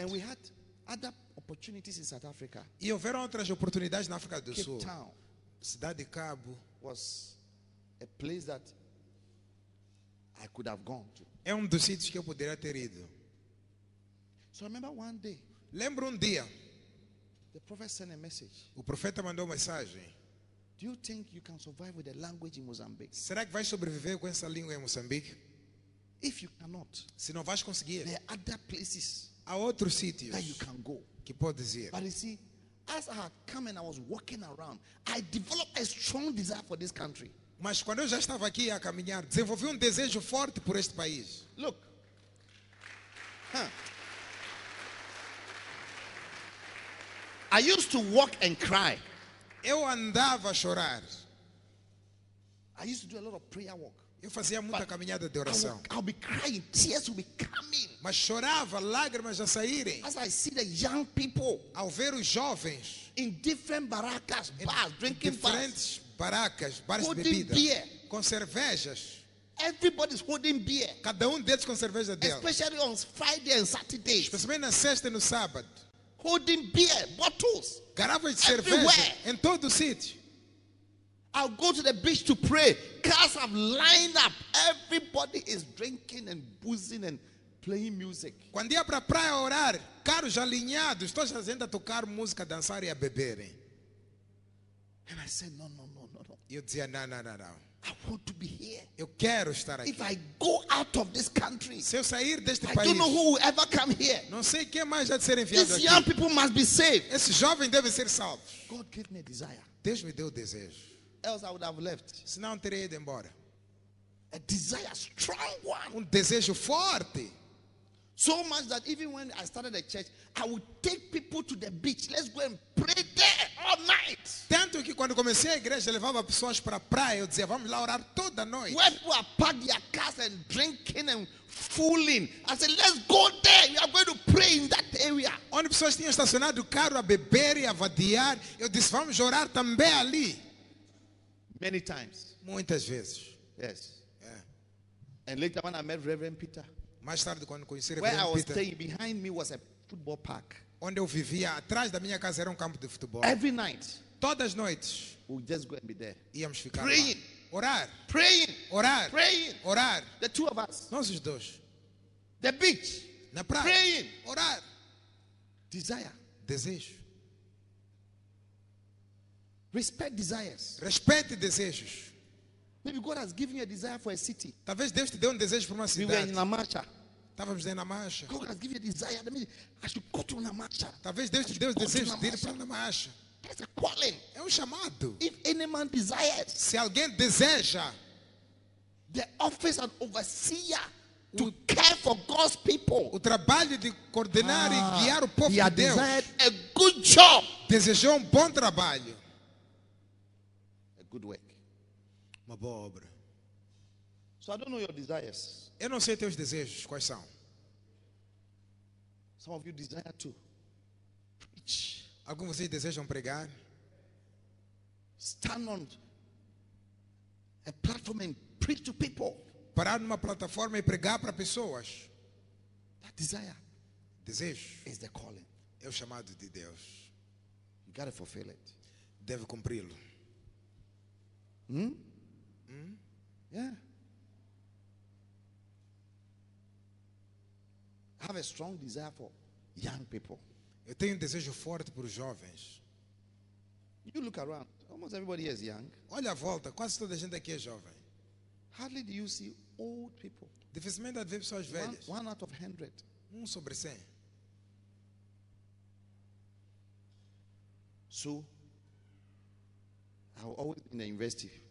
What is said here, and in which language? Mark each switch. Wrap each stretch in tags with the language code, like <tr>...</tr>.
<en>And we had other opportunities in South Africa.</en> <pt>E houveram outras oportunidades na África do</pt> <en>Cape</en> <pt>Sul.</pt> <en>Town,</en> <pt>Cidade de Cabo</pt> <en>was a place that I could have gone to.</en> <pt>É dos sítios que eu poderia ter ido.</pt> <en>So I remember one day.</en> <pt>Lembro dia.</pt> <en>The prophet sent a message.</en> <pt>O profeta mandou uma mensagem.</pt> <en>Do you think you can survive with the language in Mozambique?</en> <pt>Será que vais sobreviver com essa língua em Moçambique?</pt> <en>If you cannot,</en> <pt>se não vais conseguir,</pt> <en>there are other places.</en> <pt>Há outros sítios</pt> <en>that you can go.</en> <pt>Que podes ir.</pt> <en>But you see, as I had come and I was walking around, I developed a strong desire for this country.</en> <pt>Mas quando eu já estava aqui a caminhar, desenvolvi desejo forte por este país.</pt> <en>Look. I used to walk and cry.</en> <pt>Eu andava a chorar.</pt> <en>I used to do a lot of prayer work.</en> <pt>Eu fazia muita</pt> <en>but</en> <pt>caminhada de oração.</pt> <en>I'll be crying, tears will be coming.</en> <pt>Mas chorava, lágrimas a saírem.</pt> <en>As I see the young people,</en> <pt>ao ver os jovens,</pt> <en>in different barracas, bars, drinking</en> <pt>diferentes barracas, bares</pt> <en>holding</en> <pt>de bebida,</pt> <en>beer.</en> <pt>Com cervejas.</pt> <en>Everybody's holding beer.</en> <pt>Cada deles com cerveja dela.</pt> <en>Especially on Friday and Saturday.</en> <pt>Especialmente na sexta e no sábado.</pt> <en>Holding beer bottles.</en> <pt>Garrafas de cerveja em todo o sítio.</pt> <en>I'll go to the beach to pray. Cars have lined up. Everybody is drinking and boozing and playing music.</en> <pt>Quando ia para a praia orar, carros alinhados, todos fazendo a tocar música, dançar e a beber.</pt> <en>And I said, no.</en> <pt>Eu dizia, não.</pt> <en>I want to be here.</en> <pt>Eu quero estar aqui.</pt> <en>If I go out of this country,</en> <pt>se eu sair deste</pt> <en>I</en> <pt>país,</pt> <en>don't know who will ever come here.</en> <pt>Não sei quem mais vai ser enviado.</pt> <en>These young people must be saved.</en> <pt>Esse jovem deve ser salvo.</pt> <en>God gave me a desire.</en> <pt>Deus me deu desejo.</pt> <en>Else I would have left.</en> <pt>Senão teria ido embora.</pt> <en>A desire, a strong one.</en> <pt>Desejo forte.</pt> <en>So much that even when I started a church, I would take people to the beach. Let's go and pray there all night.</en> <pt>Tanto que quando comecei a igreja, levava pessoas para a praia. Eu dizia, vamos lá orar toda noite.</pt> <en>Where people are parked their cars and drinking and fooling. I said, let's go there. We are going to pray in that area.</en> <pt>Onde pessoas tinham estacionado o carro a beber e a vadiar. Eu disse, vamos orar também ali.</pt> <en>Many times.</en> <pt>Muitas vezes.</pt> <en>Yes. Yeah. And later when I met Reverend Peter.</en> <pt>Mais tarde, quando conheci</pt> <en>where</en> <pt>Reverend</pt> <en>I was</en> <pt>Peter,</pt> <en>staying, behind me was a football park.</en> <pt>Onde eu vivia, atrás da minha casa era campo de futebol.</pt> <en>Every night.</en> <pt>Todas as noites.</pt> <en>We just go and be there.</en> <pt>Íamos ficar</pt> <en>praying,</en> <pt>lá. Orar.</pt> <en>Praying.</en> <pt>Orar.</pt> <en>Praying.</en> <pt>Orar.</pt> <en>The two of us.</en> <pt>Nós os dois.</pt> <en>The beach.</en> <pt>Na praia.</pt> <en>Praying.</en> <pt>Orar.</pt> <en>Desire.</en> <pt>Desejo.</pt> <en>Respect desires.</en> <pt>Respeite desejos.</pt> <en>Maybe God has given you a desire for a city.</en> <pt>Talvez Deus te deu desejo por uma cidade.</pt> <en>We were in Namacha.</en> <pt>Estávamos em Namacha.</pt> <en>God has given you a desire. That means I should go to Namacha.</en> <pt>Talvez Deus te deu desejo de ir para Namacha.</pt> <en>That's a calling.</en> <pt>É chamado.</pt> <en>If any man desires,</en> <pt>se alguém deseja,</pt> <en>the office of overseer to care for God's people.</en> <pt>O trabalho de coordenar e guiar o povo de Deus.</pt> <en>He had desired a good job.</en> <pt>Desejou bom trabalho.</pt> <en>A good work.</en> <pt>Uma boa obra.</pt> <en>So I don't know your desires.</en> <pt>Eu não sei teus desejos, quais são?</pt> <en>Some of you desire to preach.</en> <pt>Alguns de vocês desejam pregar?</pt> <en>Stand on a platform and preach to people.</en> <pt>Parar numa plataforma e pregar para pessoas.</pt> <en>That desire.</en> <pt>Desejo.</pt> <en>Is the calling.</en> <pt>É o chamado de Deus.</pt> <en>You gotta fulfill it.</en> <pt>Deve cumpri-lo.</pt> <en>Yeah. I have a strong desire for young people.</en> <pt>Eu tenho desejo forte por jovens.</pt> <en>You look around, almost everybody here is young.</en> <pt>Olha a volta, quase toda a gente aqui é jovem.</pt> <en>Hardly do you see old people.</en> <pt>Dificilmente vê pessoas velhas.</pt> <en>One out of 100.</en> <pt>Sobre 100.</pt> <en>So, I've always been in the university.</en>